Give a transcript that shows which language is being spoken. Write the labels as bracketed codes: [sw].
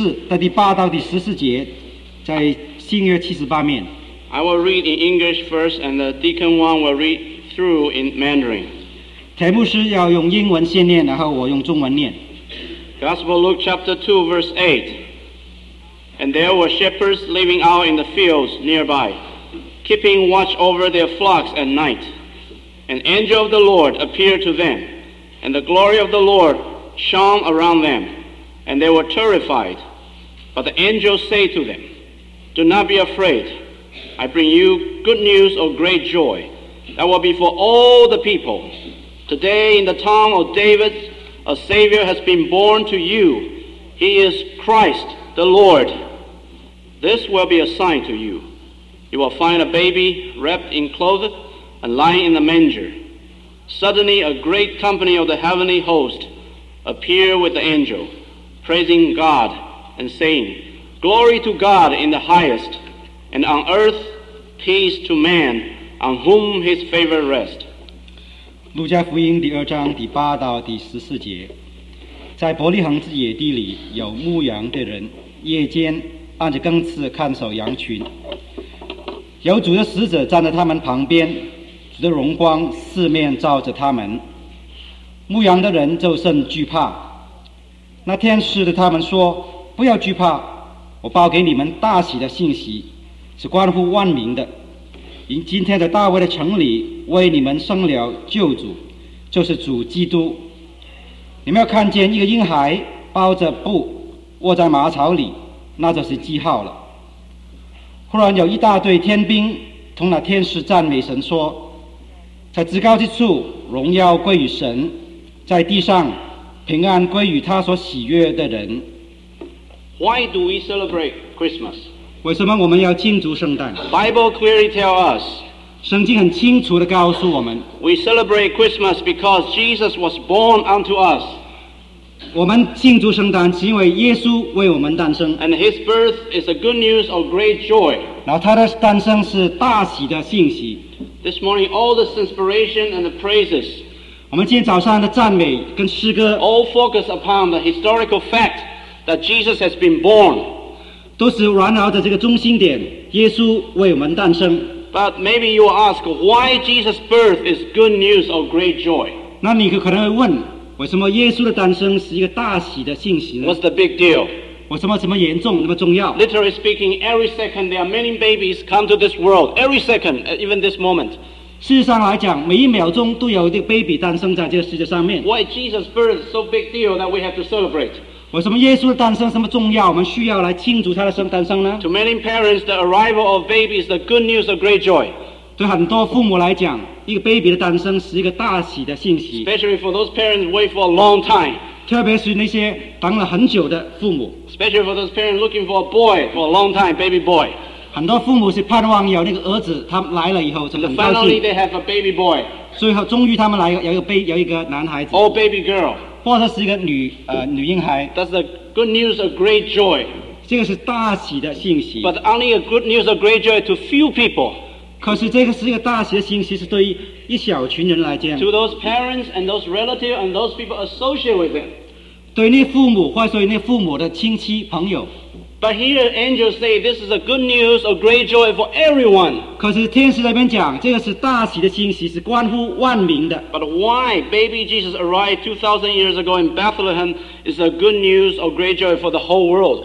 [zh] 在路加福音第二章第十四到第八到第十四节, 在新约七十八面。 [en] I will read in English first, and the Deacon Wang will read through in Mandarin. [zh] 田牧师要用英文先念, 然后我用中文念。 [en] Gospel Luke chapter 2, verse 8. And there were shepherds living out in the fields nearby, keeping watch over their flocks at night. An angel of the Lord appeared to them, and the glory of the Lord shone around them, and they were terrified. But the angel said to them, do not be afraid. I bring you good news of great joy that will be for all the people. Today in the town of David, a Savior has been born to you. He is Christ the Lord. This will be a sign to you. You will find a baby wrapped in clothes and lying in a manger. Suddenly a great company of the heavenly host appeared with the angel, praising God and saying, glory to God in the highest, and on earth peace to man on whom his favor rests. [zh] 路加福音第二章第八到第十四节，在伯利恒之野地里有牧羊的人，夜间按着更次看守羊群，有主的使者站在他们旁边，主的荣光四面照着他们，牧羊的人就甚惧怕。那天使对他们说，不要惧怕，我报给你们大喜的信息，是关乎万民的，因今天在大卫的城里为你们生了救主，就是主基督。你们要看见一个婴孩包着布卧在马槽里，那就是记号了。忽然有一大队天兵同那天使赞美神说，在至高之处荣耀归于神，在地上平安归于他所喜悦的人。 [en] Why do we celebrate Christmas? [zh] 为什么我们要庆祝圣诞？ [en] Bible clearly tell us, [zh] 圣经很清楚地告诉我们， [en] We celebrate Christmas because Jesus was born unto us. [zh] 我们庆祝圣诞是因为耶稣为我们诞生。 [en] And his birth is a good news of great joy. [zh] 然后他的诞生是大喜的信息。 [en] This morning all this inspiration and the praisesall focus upon the historical fact that Jesus has been born. [zh] 都是环绕着这个中心点，耶稣为我们诞生。 [en] But maybe you will ask why Jesus' birth is good news or great joy. [zh] 那你可能会问，为什么耶稣的诞生是一个大喜的信息呢？ [en] What's the big deal? [zh] 为什么这么严重，那么重要？ [en] Literally speaking, every second there are many babies come to this world. Every second, even this moment. [zh] 事实上来讲，每一秒钟都有一个 baby 诞生在这个世界上面。 [en] Why Jesus' birth is so big deal that we have to celebrate? [zh] 为什么耶稣的诞生这么重要？我们需要来庆祝他的诞生呢？ [en] To many parents, the arrival of babies is the good news of great joy. [zh] 对很多父母来讲，一个 baby 的诞生是一个大喜的信息。 [en] Especially for those parents wait for a long time. [zh] 特别是那些等了很久的父母。 [en] Especially for those parents looking for a boy for a long time, baby boy. [zh] 很多父母是盼望有那个儿子，他来了以后就很高兴。 [en] And finally, they have a baby boy. [zh] 最后，终于他们来有一个男孩子。 [en] Or baby girl. [zh] 或者是一个女婴孩。 [en] That's the good news of great joy. [zh] 这个是大喜的信息。 [en] But only a good news of great joy to few people. [zh] 可是这个是一个大喜的信息，是对于一小群人来讲。 [en] To those parents and those relatives and those people associated with them. [zh] 对那父母，或者说那父母的亲戚朋友。 [en] But here angels say this is a good news of great joy for everyone. [zh] 可是天使在那边讲，这个是大喜的信息，是关乎万民的。 [en] But why baby Jesus arrived 2,000 years ago in Bethlehem is a good news of great joy for the whole world.